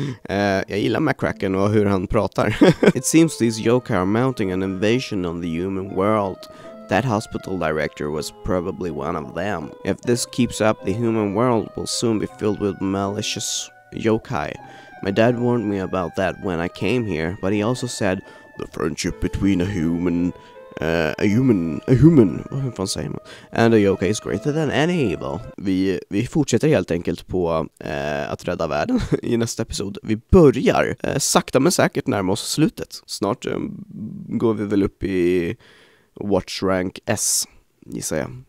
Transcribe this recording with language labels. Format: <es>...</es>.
<sv>Jag gillar McCracken och hur han pratar.</sv> <en>It seems these yokai are mounting an invasion on the human world. That hospital director was probably one of them. If this keeps up, the human world will soon be filled with malicious yokai. My dad warned me about that when I came here, but he also said the friendship between a human and a yokai is greater than any evil.</en> <sv>Vi fortsätter helt enkelt på att rädda världen i nästa episod. Vi börjar sakta men säkert närma oss slutet. Snart går vi väl upp i Watch Rank S, gissar jag.</sv>